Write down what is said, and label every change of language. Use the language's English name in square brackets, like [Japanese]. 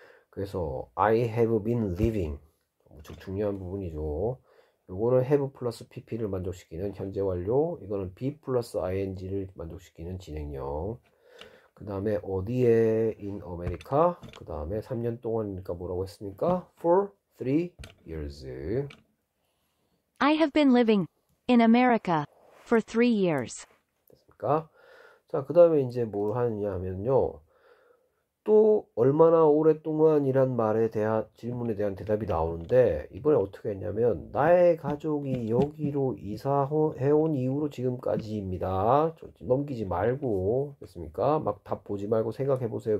[Korean] 그래서 I have been living 엄청 중요한 부분이죠. 요거는 have 플러스 PP를 만족시키는 현재 완료, 이거는 be 플러스 ING를 만족시키는 진행형. 그 다음에 어디에 in America? 그 다음에 3년 동안이니까 뭐라고 했습니까? [English] For 3 years. I have been living in America for 3 years. [Korean] 됐습니까? 자, 그 다음에 이제 뭘 하느냐 하면요. 또 얼마나 오랫동안 이란 말에 대한 질문에 대한 대답이 나오는데 이번에 어떻게 했냐면 나의 가족이 여기로 이사해온 이후로 지금까지입니다. 넘기지 말고 됐습니까? 막답 보지 말고 생각해 보세요.